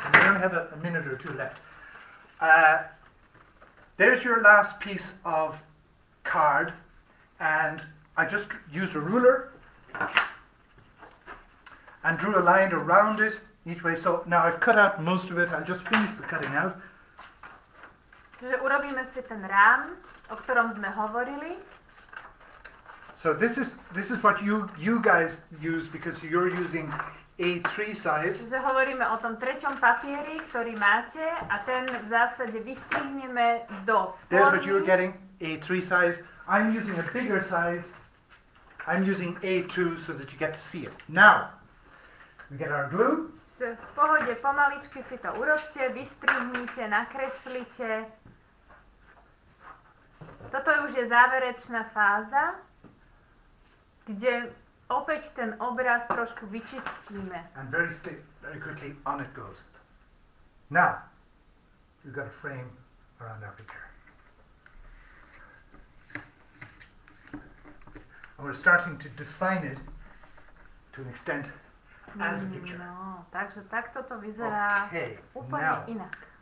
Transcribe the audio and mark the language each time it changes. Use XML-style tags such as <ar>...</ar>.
<en>And we only have a minute or two left. There's your last piece of card, and I just used a ruler and drew a line around it each way. So now I've cut out most of it. I'll just finish the cutting out.</en> <sk>Čiže urobíme si ten rám, o ktorom sme hovorili.</sk> <en>So this is what you guys use because you're using A3 size.</en> <sk>Čiže hovoríme o tom treťom papieri, ktorý máte, a ten v zásade vystrihneme do formy.</sk> <en>There's what you're getting, A3 size. I'm using a bigger size. I'm using A2 so that you get to see it. Now, we get our glue.</en> <sk>Čiže v pohode, pomaličky si to urobte, vystrihnite, nakreslite. Toto už je záverečná fáza, kde opäť ten obraz trošku vyčistíme.</sk> <en>And very stick, very quickly on it goes. Now, we've got a frame around our picture. And we're starting to define it to an extent as a picture.</en> <sk>No, takže takto to vyzerá úplne inak.</sk>